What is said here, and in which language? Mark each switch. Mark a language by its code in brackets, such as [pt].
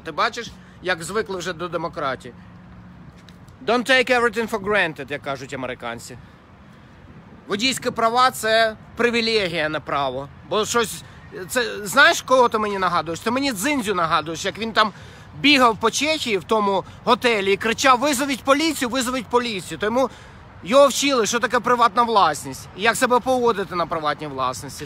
[uk] Ти бачиш, як звикли вже до демократії. [en] Don't take everything for granted, [uk] як кажуть американці. Водійські права – це привілегія, не право. Бо щось... Це... Знаєш, кого ти мені нагадуєш? Ти мені Дзиндзю нагадуєш, як він там бігав по Чехії в тому готелі і кричав «Визовіть поліцію, визовіть поліцію!» Тому його вчили, що таке приватна власність і як себе поводити на приватній власності.